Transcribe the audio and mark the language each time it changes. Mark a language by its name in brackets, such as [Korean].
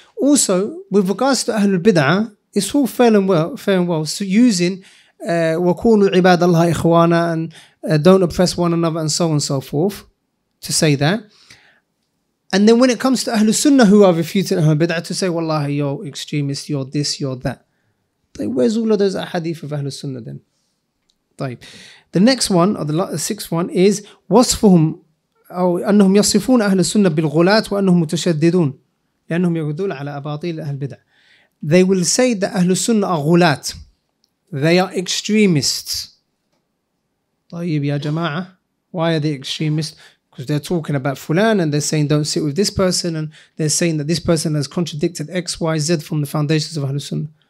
[English] Also, with regards to Ahlul Bid'ah, it's all fair and well, so using [Arabic] وَكُونُوا عِبَادَ اللَّهِ إِخْوَانَا [English] and don't oppress one another and so on and so forth to say that. And then when it comes to Ahlus Sunnah who are refuting Ahlul Bid'ah to say, wallahi, you're extremist, you're this, you're that. طيب, where's all of those ahadith of Ahlus Sunnah then? طيب. The next one, or the sixth one is [Arabic] وَصْفُهُمْ أو أَنَّهُمْ يَصِفُونَ أَهْلَ السُنَّةِ بِالْغُلَاتِ وَأَنَّهُمْ مُتَشَدِّدُونَ لأنهم يردون على أباطيل أهل بدع. [English] They will say that Ahlus Sunnah are غلات. They are extremists. [Arabic] طيب يا جماعة, [English] why are they extremists? Because they're talking about fulan and they're saying don't sit with this person and they're saying that this person has contradicted X, Y, Z from the foundations of Ahlus Sunnah.